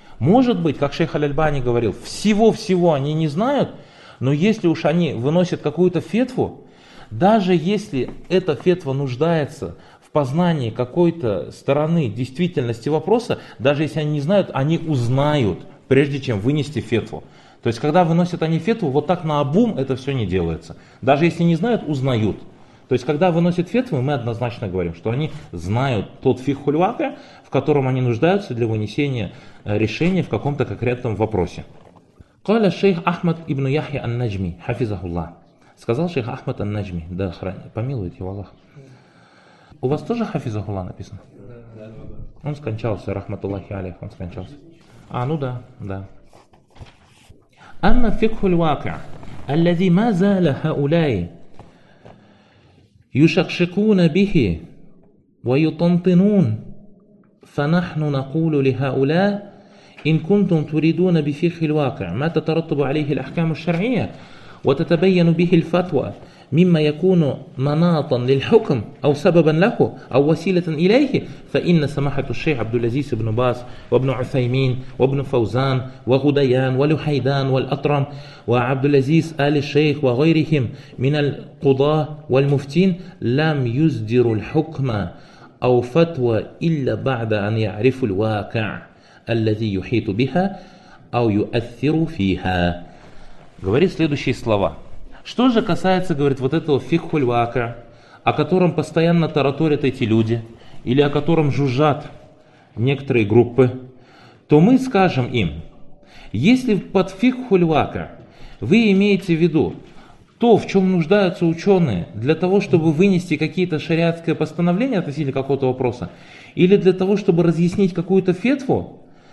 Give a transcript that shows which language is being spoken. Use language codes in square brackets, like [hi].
[ru] Может быть, как шейх Аль-Альбани говорил, всего-всего они не знают, но если уж они выносят какую-то фетву, даже если эта фетва нуждается в познании какой-то стороны действительности вопроса, даже если они не знают, они узнают, прежде чем вынести фетву. То есть, когда выносят они фетву, вот так наобум это все не делается. Даже если не знают, узнают. То есть, когда выносят фетвы, мы однозначно говорим, что они знают тот фикхуль вака, в котором они нуждаются для вынесения решения в каком-то конкретном вопросе. [ar] قال الشيخ أحمد ابن يحيى النجمي حفظه الله. [ru] Сказал шейх Ахмад ан-Наджми, да помилует его Аллах. У вас тоже [ar] حفظه الله [ru] написано? Он скончался, рахматуллахи алейх, он скончался. А, ну да, да. [ar] أما فكхуль واقع الذي ما زال هؤلاء يشقشقون به ويطنطنون فنحن نقول لهؤلاء إن كنتم تريدون بفقه الواقع ما تترتب عليه الأحكام الشرعية وتتبين به الفتوى مما يكون مناطا للحكم أو سببا له أو وسيلة إليه فإن سماحة الشيخ عبد العزيز بن باز وابن عثيمين وابن فوزان وغديان ولحيدان والأطرم وعبد العزيز آل الشيخ وغيرهم من القضاة والمفتين لم يصدروا الحكم أو فتوى إلا بعد أن يعرف الواقع الذي يحيط بها أو يؤثر فيها. [ru] Говорит следующие слова. Что же касается, говорит, вот этого фикхуль-вакаа, о котором постоянно тараторят эти люди, или о котором жужжат некоторые группы, то мы скажем им, если под фикхуль-вакаа вы имеете в виду то, в чем нуждаются ученые для того, чтобы вынести какие-то шариатские постановления относительно какого-то вопроса, или для того, чтобы разъяснить какую-то фетву,